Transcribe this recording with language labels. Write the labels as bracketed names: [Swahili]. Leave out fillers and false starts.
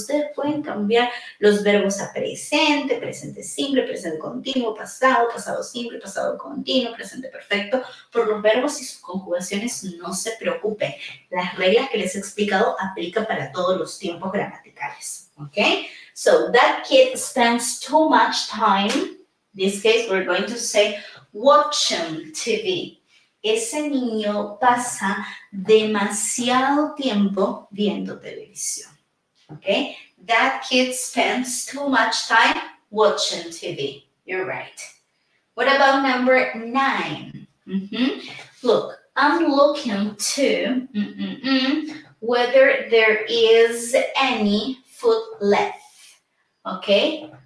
[Spanish] Ustedes pueden cambiar los verbos a presente, presente simple, presente continuo, pasado, pasado simple, pasado continuo, presente perfecto, por los verbos y sus conjugaciones, no se preocupen. Las reglas que les he explicado aplican para todos los tiempos gramaticales. ¿Ok? [English] So, that kid spends too much time. In this case, we're going to say watching TV. [Spanish] Ese niño pasa demasiado tiempo viendo televisión, ¿ok? [English] That kid spends too much time watching TV. You're right. What about number nine? Look, I'm looking to whether there is any food left, ¿ok?